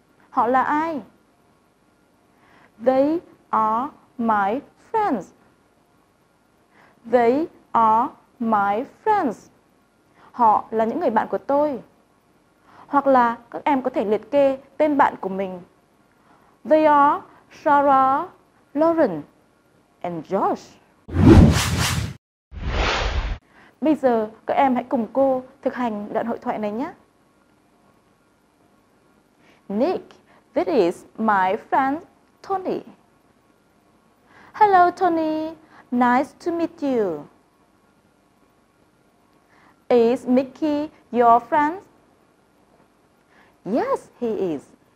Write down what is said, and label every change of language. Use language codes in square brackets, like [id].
[vi] Họ là ai? [en] They are my friends. They are my friends. [vi] Họ là những người bạn của tôi. Hoặc là các em có thể liệt kê tên bạn của mình. [en] They are Sarah, Lauren and Josh. [vi] Bây giờ các em hãy cùng cô thực hành đoạn hội thoại này nhé. [en] Nick, this is my friend Tony. Hello Tony, nice to meet you. Is Mickey your friend? Yes, he is.